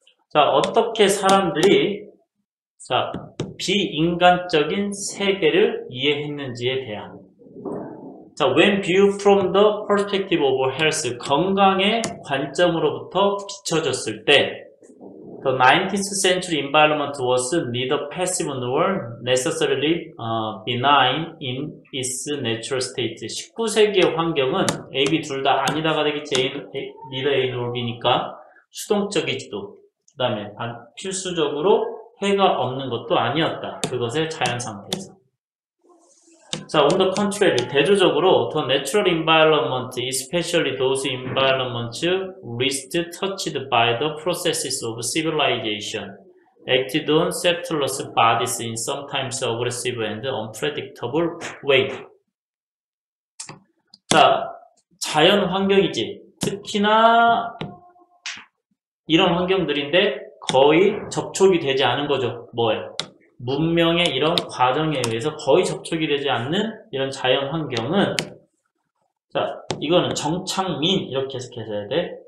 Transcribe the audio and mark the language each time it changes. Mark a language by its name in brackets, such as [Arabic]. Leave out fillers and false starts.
[Korean] 자, 어떻게 사람들이, 자, 비인간적인 세계를 이해했는지에 대한. [English] 자, when viewed from the perspective of health, [Korean] 건강의 관점으로부터 비춰졌을 때, [English] The 19th century environment was neither passive nor necessarily benign in its natural state. [Korean] 19세기의 환경은 A, B 둘 다 아니다가 되겠지. A, [English] neither A nor B [Korean] 니까 수동적이지도. 그 다음에 필수적으로 해가 없는 것도 아니었다. 그것의 자연 상태에서. [English] 자, on the contrary, [Korean] 대조적으로 [English] the natural environment, especially those environments least touched by the processes of civilization, acted on settlers' bodies in sometimes aggressive and unpredictable way. [Korean] 자, 자연 환경이지. 특히나 이런 환경들인데 거의 접촉이 되지 않은 거죠. 뭐예요? 문명의 이런 과정에 의해서 거의 접촉이 되지 않는 이런 자연 환경은, 자, 이거는 정착민, 이렇게 해석해야 돼.